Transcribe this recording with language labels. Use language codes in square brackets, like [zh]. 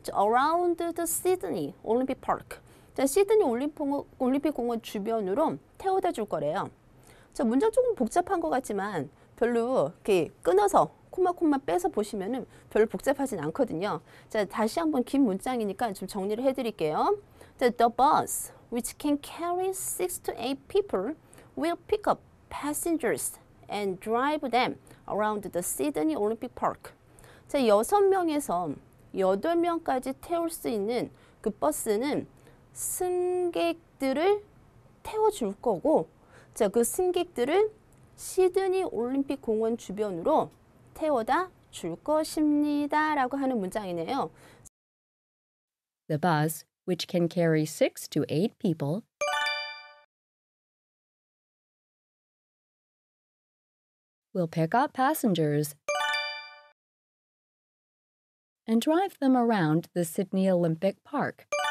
[en] 자, around the Sydney Olympic Park. [ko] 자, 시드니 올림픽 공원 주변으로 태워다 줄 거래요. 자, 문장 조금 복잡한 것 같지만 별로 이렇게 끊어서 콤마콤마 빼서 보시면은 별로 복잡하진 않거든요. 자, 다시 한번 긴 문장이니까 좀 정리를 해드릴게요. [en] The bus which can carry 6 to 8 people will pick up passengers and drive them around the Sydney Olympic Park. [ko] 자, 6명에서 8명까지 태울 수 있는 그 버스는 승객들을 태워줄 거고, 자, 그 승객들을 시드니 올림픽 공원 주변으로 태워다 줄 것입니다. 라고 하는 문장이네요. [en] The bus, which can carry 6 to 8 people, will pick up passengers and drive them around the Sydney Olympic Park.